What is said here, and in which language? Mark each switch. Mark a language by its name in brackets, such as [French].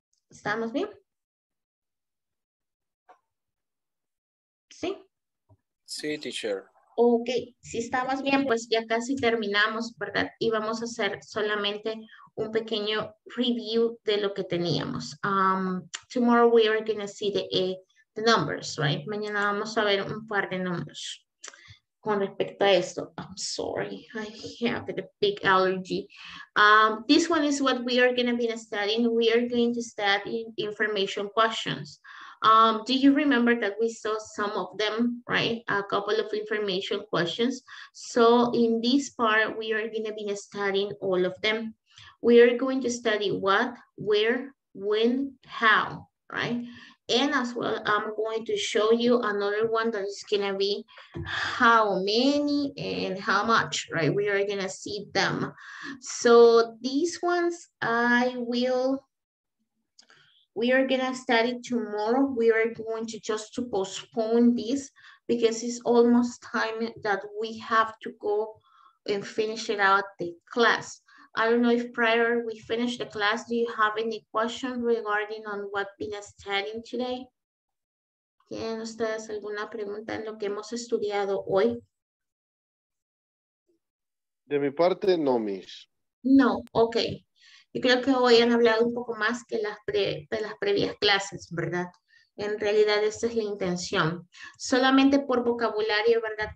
[Spanish] ¿Estamos bien? Sí. Sí, teacher. [English] Ok. [Spanish] Si estamos bien, pues ya casi terminamos, ¿verdad? Y vamos a hacer solamente un pequeño review de lo que teníamos. [English] Tomorrow we are going to see the numbers, right? [Spanish] Mañana vamos a ver un par de números. Con respecto a esto, [English] I'm sorry, I have a big allergy. This one is what we are going to be studying. We are going to study information questions. Do you remember that we saw some of them, right? A couple of information questions. So in this part, we are going to be studying all of them. We are going to study what, where, when, how, right? And as well, I'm going to show you another one that is going to be how many and how much, right? We are going to see them. So these ones, we are going to study tomorrow. We are going to just to postpone this because it's almost time that we have to go and finish it out the class. I don't know if prior we finish the class, do you have any questions regarding on what been studying today? [Spanish] ¿Tienen ustedes alguna pregunta en lo que hemos estudiado hoy? De mi parte, no, Miss. [English] No, okay. [Spanish] Yo creo que hoy han hablado un poco más que las previas clases, ¿verdad? En realidad, esta es la intención. Solamente por vocabulario, ¿verdad?